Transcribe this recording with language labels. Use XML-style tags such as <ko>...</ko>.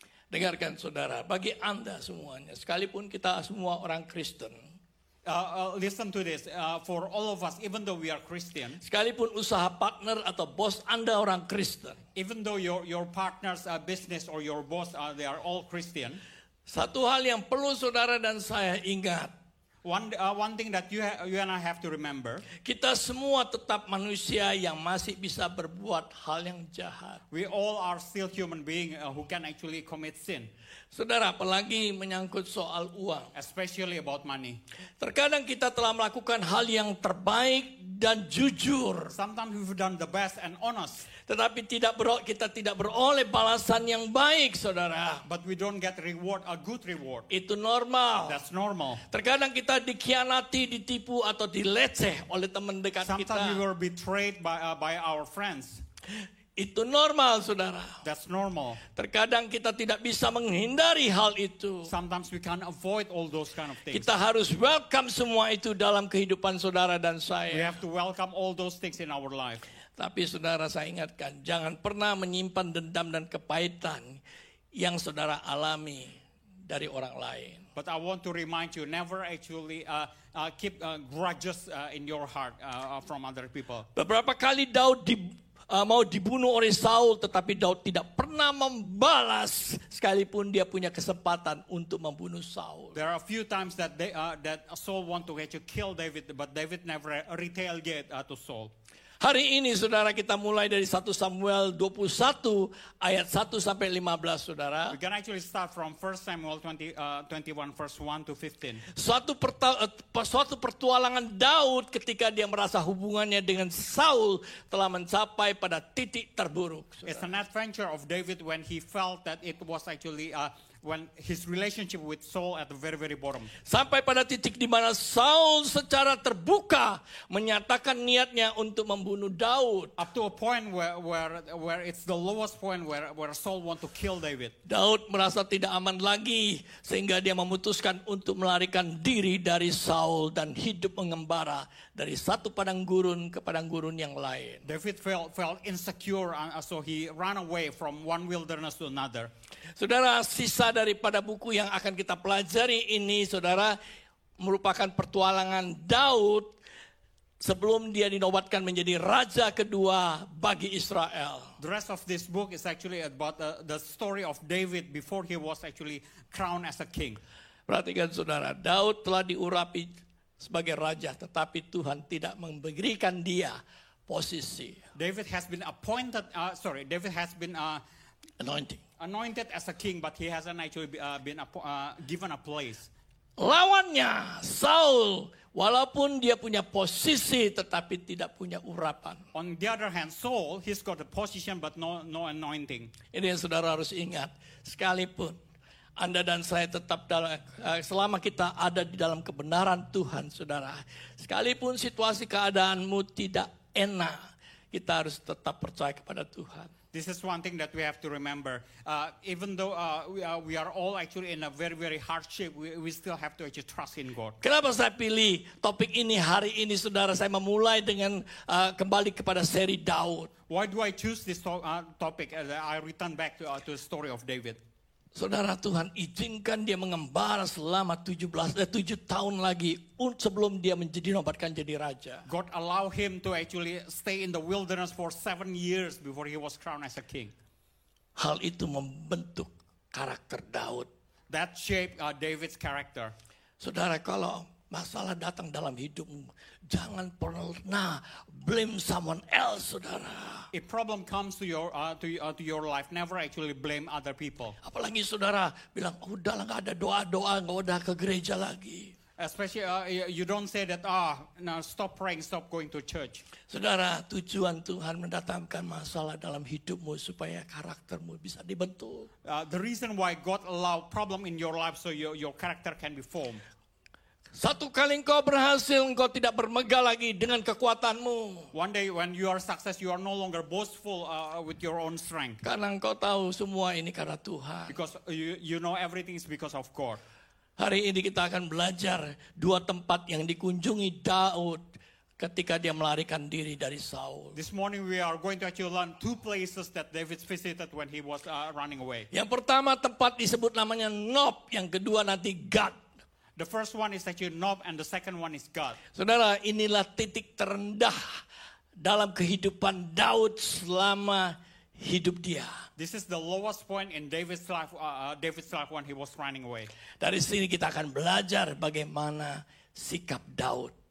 <id>Dengarkan saudara, bagi Anda semuanya, sekalipun kita semua orang Kristen.</id> <en>Listen to this, for all of us, even though we are Christian.</en> <id>Sekalipun usaha partner atau bos Anda orang Kristen.</id> <en>Even though your partner's business or your boss, they are all Christian.</en> <id>Satu hal yang perlu saudara dan saya ingat.</id> <en>One thing that you and I have to remember.</en> <id>Kita semua tetap manusia yang masih bisa berbuat hal yang jahat.</id> <en>We all are still human being who can actually commit sin.</en> <id>Saudara, apalagi menyangkut soal uang.</id> <en>Especially about money.</en> <id>Terkadang kita telah melakukan hal yang terbaik dan jujur.</id> <en>Sometimes we've done the best and honest.</en> <id>Tetapi kita tidak beroleh balasan yang baik, saudara.</id> <en>But we don't get reward, a good reward.</en> <id>Itu normal.</id> <en>That's normal.</en> <id>Terkadang kita dikhianati, ditipu, atau dileceh oleh teman dekat</id> <en>sometimes</en> <id>kita.</id> <en>Sometimes we were betrayed by our friends.</en> <id>Itu normal, saudara.</id> <en>That's normal.</en> <id>Terkadang kita tidak bisa menghindari hal itu.</id> <en>Sometimes we can't avoid all those kind of things.</en> <id>Kita harus welcome semua itu dalam kehidupan saudara dan saya.</id> <en>We have to welcome all those things in our life.</en> <id>Tapi saudara, saya ingatkan, jangan pernah menyimpan dendam dan kepahitan yang saudara alami dari orang lain.</id> <en>But I want to remind you, never actually keep grudges in your heart from other people.</en> <id>Beberapa kali Daud mau dibunuh oleh Saul, tetapi Daud tidak pernah membalas sekalipun dia punya kesempatan untuk membunuh Saul.</id> <en>There are a few times that that Saul want to actually kill David, but David never retaliate to Saul.</en> <id>Hari ini saudara, kita mulai dari 1 Samuel 21 ayat 1 sampai 15 saudara.</id> <en>We can actually start from 1 Samuel 21 verse 1 to 15.</en> <id>Suatu pertualangan Daud ketika dia merasa hubungannya dengan Saul telah mencapai pada titik terburuk. Saudara.</id> <en>It's an adventure of David when he felt that it was actually when his relationship with Saul at the very very bottom.</en> <id>Sampai pada titik di mana Saul secara terbuka menyatakan niatnya untuk membunuh Daud.</id> <en>Up to a point where it's the lowest point where Saul want to kill David.</en> <id>Daud merasa tidak aman lagi sehingga dia memutuskan untuk melarikan diri dari Saul dan hidup mengembara dari satu padang gurun ke padang gurun yang lain.</id> <en>David felt insecure and so he ran away from one wilderness to another.</en> <id>Saudara, sisa daripada buku yang akan kita pelajari ini, saudara, merupakan pertualangan Daud sebelum dia dinobatkan menjadi raja kedua bagi Israel.</id> <en>The rest of this book is actually about the story of David before he was actually crowned as a king.</en> <id>Perhatikan saudara, Daud telah diurapi sebagai raja, tetapi Tuhan tidak memberikan dia posisi.</id> <en>David has been appointed, David has been anointed as a king, but he hasn't actually been given a place.</en> <id>Lawannya, Saul, walaupun dia punya posisi, tetapi tidak punya urapan.</id> <en>On the other hand, Saul, he's got a position, but no anointing.</en> <id>Ini yang saudara harus ingat, sekalipun Anda dan saya tetap dalam, selama kita ada di dalam kebenaran Tuhan, saudara. Sekalipun situasi keadaanmu tidak enak, kita harus tetap percaya kepada Tuhan.</id> <en>This is one thing that we have to remember. Even though we are all actually in a very, very hardship, we still have to actually trust in God.</en> <id>Kenapa saya pilih topik ini hari ini, saudara? Saya memulai dengan kembali kepada seri Daud.</id> <en>Why do I choose this topic? I return back to the story of David.</en> <id>Saudara, Tuhan izinkan dia mengembara selama 7 tahun lagi sebelum dia menjadi dinobatkan jadi raja.</id> <en>God allow him to actually stay in the wilderness for 7 years before he was crowned as a king.</en> <id>Hal itu membentuk karakter Daud.</id> <en>That shaped David's character.</en> <id>Saudara, kalau masalah datang dalam hidupmu, jangan pernah</id> <en>blame someone else,</en> <id>saudara.</id> <en>If problem comes to your life, never actually blame other people.</en> <id>Apalagi saudara bilang, udahlah nggak ada doa, nggak udah ke gereja lagi.</id> <en>Especially you don't say that, stop praying, stop going to church.</en> <id>Saudara, tujuan Tuhan mendatangkan masalah dalam hidupmu supaya karaktermu bisa dibentuk.</id> <en>The reason why God allow problem in your life so your character can be formed.</en> <id>Satu kali engkau berhasil, engkau tidak bermegah lagi dengan kekuatanmu.</id> <en>One day when you are success, you are no longer boastful with your own strength.</en> <id>Karena engkau tahu semua ini karena Tuhan.</id> <en>Because you know everything is because of God.</en> <id>Hari ini kita akan belajar dua tempat yang dikunjungi Daud ketika dia melarikan diri dari Saul.</id> <en>This morning we are going to actually learn two places that David visited when he was running away.</en> <id>Yang pertama tempat disebut namanya Nob, yang kedua nanti Gad.</id> <en>The first one is actually Nob and the second one is Gad.</en> <id>Saudara, inilah titik terendah dalam kehidupan Daud selama hidup dia.</id> <en>This is the lowest point in David's life when he was running away.</en> <id>Dari sini kita akan belajar bagaimana sikap Daud.</id>